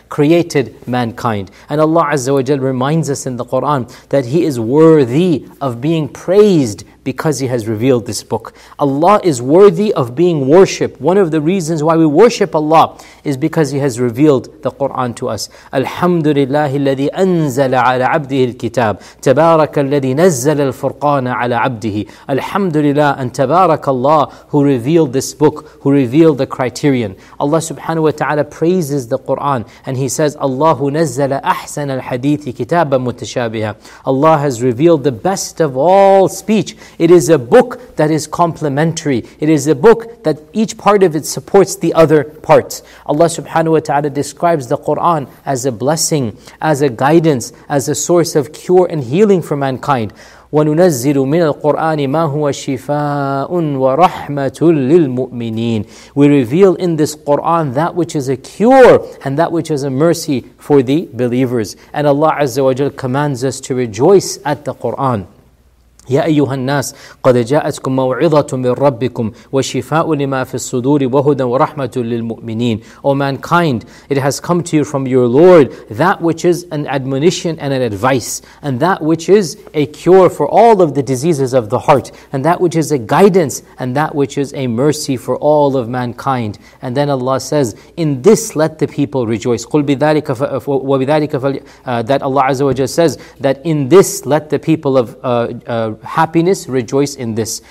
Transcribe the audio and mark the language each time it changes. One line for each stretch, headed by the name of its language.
English: Created mankind. And Allah Azza wa Jal reminds us in the Qur'an that he is worthy of being praised because he has revealed this book. Allah is worthy of being worshipped. One of the reasons why we worship Allah is because he has revealed the Qur'an to us.
Arabic: Alhamdulillah الذي أنزل على عبده الكتاب تبارك الذي نزل الفرقان على عبده.
English: Alhamdulillah and
Arabic: تبارك الله
English: who revealed this book, who revealed the criterion. Allah subhanahu wa ta'ala praises the Qur'an and he says,
Arabic: الله نزل أحسن الحديث كتابا متشابها.
English: Allah has revealed the best of all speech. It is a book that is complementary. It is a book that each part of it supports the other parts. Allah subhanahu wa ta'ala describes the Qur'an as a blessing, as a guidance, as a source of cure and healing for mankind.
Arabic: وَنُنَزِّلُ مِنَ الْقُرْآنِ مَا هُوَ شِفَاءٌ وَرَحْمَةٌ لِلْمُؤْمِنِينَ.
English: We reveal in this Qur'an that which is a cure and that which is a mercy for the believers. And Allah Azza wa Jal commands us to rejoice at the Qur'an.
Arabic: يا أيها الناس قد جاءتكم موعظة من ربكم وشفاء لما في الصدور وهدى ورحمة للمؤمنين.
English: O mankind, it has come to you from your Lord that which is an admonition and an advice, and that which is a cure for all of the diseases of the heart, and that which is a guidance, and that which is a mercy for all of mankind. And then Allah says, in this let the people rejoice.
Arabic: قل بذلك وبذلك
English: that Allah Azza wa Jalla says that in this let the people of happiness rejoice in this.